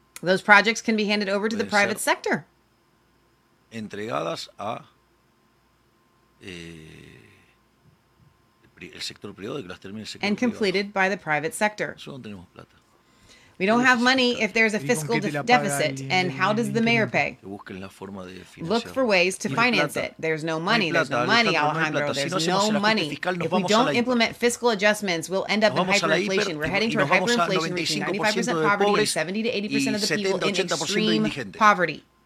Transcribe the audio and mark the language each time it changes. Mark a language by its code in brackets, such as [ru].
[en] those projects can be handed over to the private sector. [es] Entregadas a el sector privado, que las termine el sector [en] and completed By the private sector. [es] Solo no tenemos plata. [en] We don't have money if there's a fiscal deficit. And how does the mayor pay? Look for ways to finance it. There's no money. There's no money, Alejandro. There's no money. If we don't implement fiscal adjustments, we'll end up in hyperinflation. We're heading toward hyperinflation, reaching 95% poverty and 70 to 80% of the people in extreme poverty.